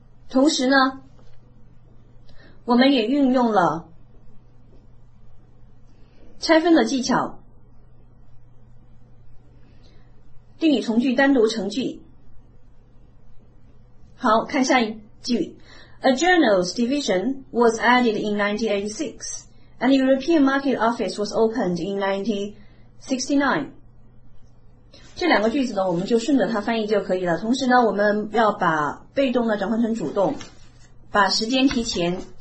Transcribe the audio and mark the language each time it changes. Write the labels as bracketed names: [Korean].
[Chinese] 同时呢我们也运用了拆分的技巧，定语从句单独成句。好，看下一句。 [English] A journal's division was added in 1986 and the European market office was opened in 1969. [Chinese] 这两个句子呢我们就顺着它翻译就可以了。同时呢我们要把被动呢转换成主动，把时间提前。